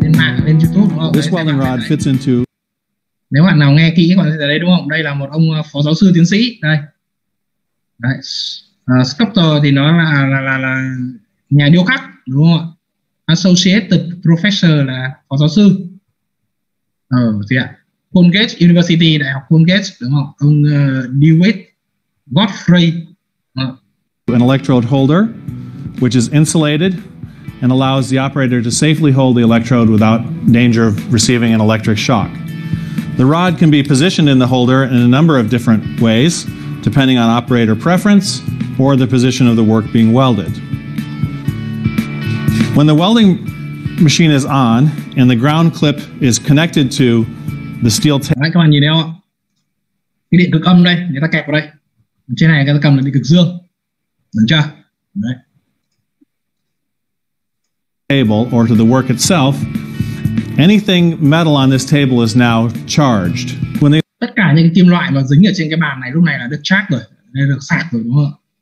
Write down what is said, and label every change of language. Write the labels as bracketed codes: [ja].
[vi] Lên mạng, lên YouTube đúng không? [en] This welding rod fits into. [vi] Nếu bạn nào nghe kỹ các bạn sẽ thấy đây đúng không? Đây là một ông phó giáo sư tiến sĩ đây. Đấy. Sculptor thì nó là nhà điêu khắc đúng không ạ? Associated professor là phó giáo sư. Colgate University, Đại học Colgate đúng không? Ông DeWitt Godfrey. [en] An electrode holder which is insulated and allows the operator to safely hold the electrode without danger of receiving an electric shock. The rod can be positioned in the holder in a number of different ways depending on operator preference or the position of the work being welded. When the welding machine is on and the ground clip is connected to the steel tab. [vi] Các bạn nhìn thấy không? Cái điện cực âm đây, người ta kẹp vào đây. Trên này người ta cầm là điện cực dương. Đúng chưa? Đấy. [en] Table or to the work itself, anything metal on this table is now charged. When they [vi] tất cả những cái kim loại mà dính ở trên cái bàn này lúc này là được charged rồi, nên được sạc rồi đúng không?